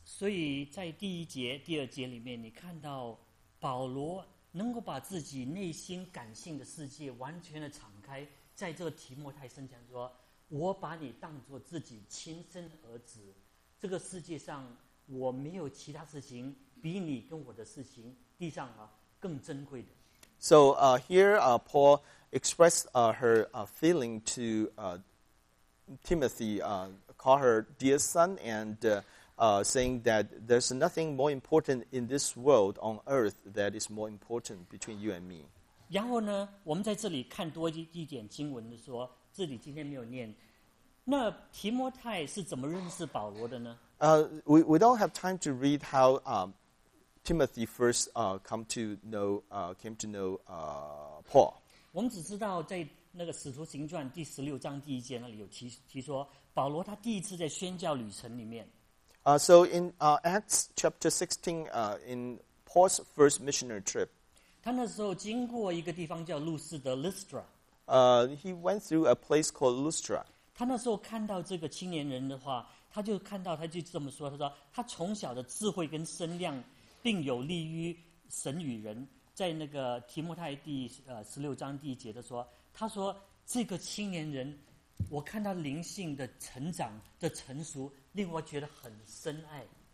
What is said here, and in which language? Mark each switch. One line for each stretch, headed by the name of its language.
Chinese: 所以在第一节、第二节里面，你看到保罗能够把自己内心感性的世界完全的敞开，在这个提摩太身上说：“我把你当作自己亲生儿子，这个世界上我没有其他事情比你跟我的事情地上啊更珍贵的。”
English: So here, Paul. Expressed her feeling to Timothy, call her dear son, and saying that there's nothing more important in this world on earth that is more important between you and me.
Chinese: 然后呢，我们在这里看多一点经文的说，这里今天没有念。那提摩太是怎么认识保罗的呢？
English: We don't have time to read how Timothy first came to know Paul.
Chinese: 我们只知道在那个《使徒行传》第十六章第一节那里有提说，保罗他第一次在宣教旅程里面。
English: So in Acts chapter 16, in Paul's first missionary trip,
Chinese: 他那时候经过一个地方叫路斯德 Lystra.
English: He went through a place called Lystra.
Chinese: 他那时候看到这个青年人的话，他就看到他就这么说，他说他从小的智慧跟身量，并有利于神与人。在那个提摩太第十六章第一节的说，他说这个青年人，我看他灵性的成长的成熟，令我觉得很深爱。